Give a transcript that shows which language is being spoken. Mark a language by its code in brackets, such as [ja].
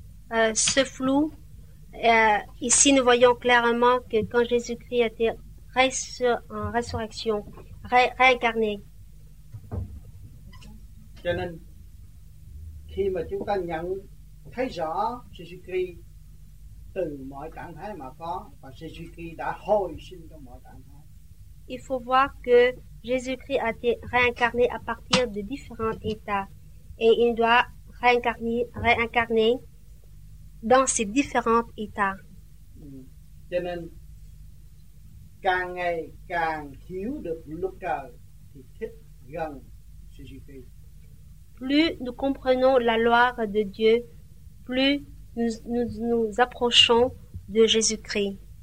[fr] Dans ce flou, ici nous voyons clairement que quand Jésus-Christ a été réincarné. [vi] Cho nên, khi mà chúng ta nhận thấy rõ Jésus-Christ từ mọi trạng thái mà có và Jésus-Christ đã hồi sinh trong mọi trạng thái. [fr] Il faut voir que Jésus-Christ a été réincarné à partir de différents états et il doit réincarné dans ces différents états. [vi] Cho nên, càng ngày càng hiểu được luật trời thì thích gần Jésus-Christ. [fr] Plus nous comprenons la loi de Dieu, plus nous approchons de Jésus-Christ.